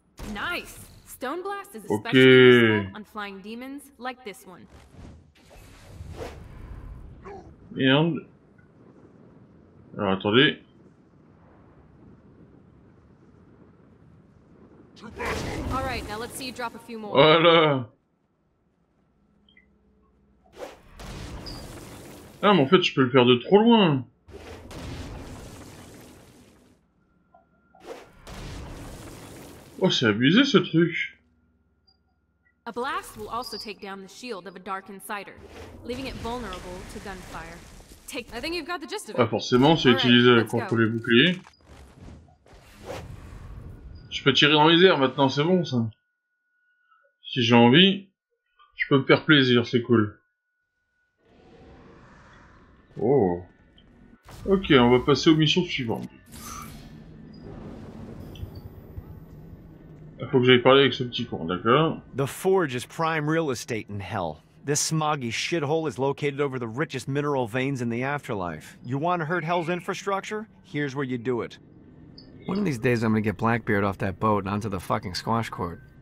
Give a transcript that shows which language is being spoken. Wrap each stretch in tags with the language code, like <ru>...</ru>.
<en>Nice. Stone blast is especially useful on flying demons like this one.</en> <fr>Merde. Alors attendez.</fr> <en>All right, now let's see you drop a few more.</en> <fr>Voilà. Ah, mais en fait, je peux le faire de trop loin. Oh, c'est abusé ce truc.</fr> <en>A blast will also take down the shield of a dark insider, leaving it vulnerable to gunfire. Take. I think you've got the gist of it.</en> <fr>Ah, forcément, c'est utilisé contre les boucliers. Je peux tirer dans les airs maintenant, c'est bon ça. Si j'ai envie, je peux me faire plaisir, c'est cool. Oh. Ok, on va passer aux missions suivantes. Faut que j'aille parler avec ce petit con, d'accord?</fr> <en>The Forge is prime real estate in hell. This smoggy shithole is located over the richest mineral veins in the afterlife. You want to hurt hell's infrastructure? Here's where you do it. One of these days, I'm gonna get Blackbeard off that boat and onto the fucking squash court.</en>